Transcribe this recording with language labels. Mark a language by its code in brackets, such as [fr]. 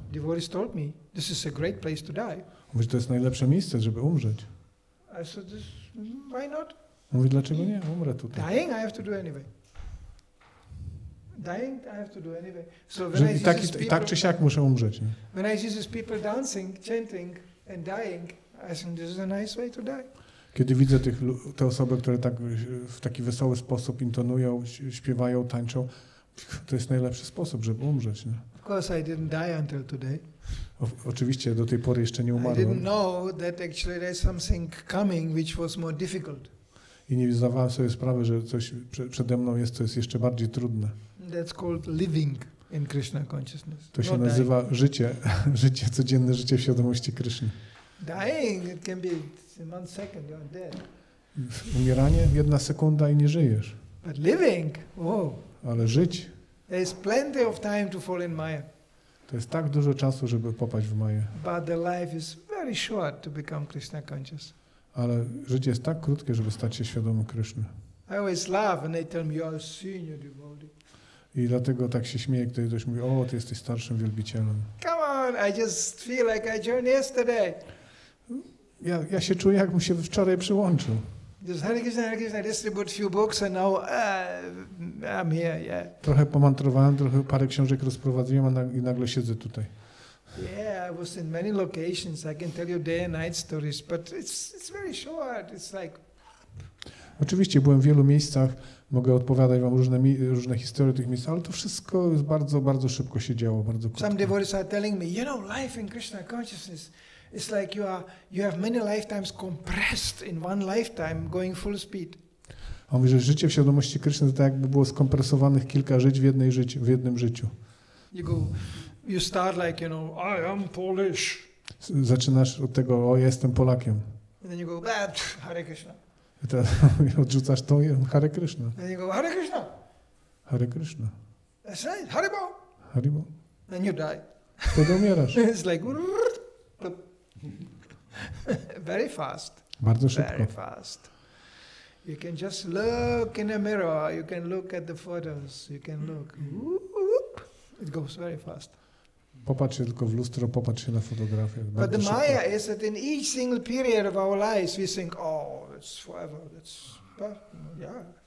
[en] Devotees told me this is a great place to die. [pl] Mówię, to jest najlepsze miejsce, żeby umrzeć. [en] I said, why not? [pl] Mówię, dlaczego nie? Umrę tutaj. [en] Dying, I have to do anyway. Dying, I have to do anyway. So when [pl] I tak czy siak muszę umrzeć. Nie? [en] When I see these people dancing, chanting and dying, I think this is a nice way to die. [pl] Kiedy widzę te osoby, które tak w taki wesoły sposób intonują, śpiewają, tańczą, to jest najlepszy sposób, żeby umrzeć. Nie? [en] Of course I didn't die until today. [pl] Oczywiście do tej pory jeszcze nie umarłem. [en] I didn't know that actually there's something coming which was more difficult. [pl] I nie zdawałem sobie sprawy, że coś przede mną jest, co jest jeszcze bardziej trudne. [en] That's called living in Krishna consciousness. [pl] To się nazywa życie, życie, codzienne życie w świadomości Krishna. [en] Dying, it can be one second, you're dead. [pl] Umieranie, jedna sekunda i nie żyjesz. [en] But living, oh. [pl] Ale żyć. [en] There's plenty of time to fall in Maya. [pl] To jest tak dużo czasu, żeby popaść w Maję. [en] But the life is very short to become Krishna conscious. [pl] Ale życie jest tak krótkie, żeby stać się świadomym Kryszny. [en] I always laugh when they tell me you're a senior devotee. [pl] I dlatego tak się śmieję, kiedy ktoś mówi, o, ty jesteś starszym wielbicielem. [en] Come on, I just feel like I joined yesterday. [pl] Ja się czuję, jakbym się wczoraj przyłączył. [en] Just Hare Krishna, Hare Krishna, I distribute few books and now I'm here, yeah. [pl] Trochę pomantrowałem, trochę parę książek rozprowadziłem i nagle siedzę tutaj. [en] Yeah, I was in many locations. I can tell you day and night stories, but it's very short. It's like. [pl] Oczywiście byłem w wielu miejscach. Mogę odpowiadać wam różne historie tych miejsc, ale to wszystko jest bardzo, bardzo szybko się działo, bardzo krótko. [en] Some devotees are telling me, you know, life in Krishna consciousness, it's like you have many lifetimes compressed in one lifetime, going full speed. [pl] A on mówi, że życie w świadomości Krishna to tak jakby było skompresowanych kilka żyć w jednej życiu, w jednym życiu. [en] You go. You start like, you know, I am Polish. [pl] Zaczynasz od tego, o, jestem Polakiem. [en] And then you go, bah, Hare Krishna. [pl] I teraz odrzucasz to, Hare Krishna. [en] And then you go, Hare Krishna. Hare Krishna. That's right, Hare Bo. Hare Bo. And then you die. [pl] Wtedy umierasz. [en] It's like, very fast. [pl] Bardzo szybko. [en] Very fast. You can just look in a mirror, you can look at the photos, you can look. It goes very fast. [pl] Popatrz się tylko w lustro, popatrz się na fotografię. [en] But the Maya is that in each single period of our lives we think, oh, it's forever, it's, yeah.